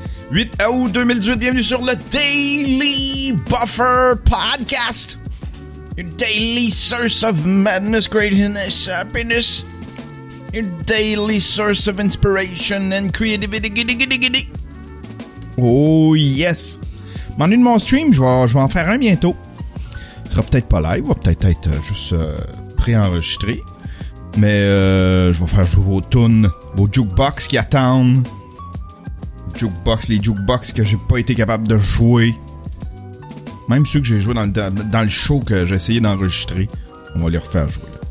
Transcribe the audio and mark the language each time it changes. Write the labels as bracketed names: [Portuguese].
[French] 8 août 2018, bienvenue sur le Daily Buffer Podcast. [English] Your daily source of madness, greatness, happiness. Your daily source of inspiration and creativity. Oh yes! [French] M'ennuie de mon stream, je vais en faire un bientôt. Ce sera peut-être pas live, va peut-être être juste pré-enregistré. Mais je vais faire jouer vos tunes, vos jukebox qui attendent. Les jukebox que j'ai pas été capable de jouer. Même ceux que j'ai joué dans le show que j'ai essayé d'enregistrer. On va les refaire jouer.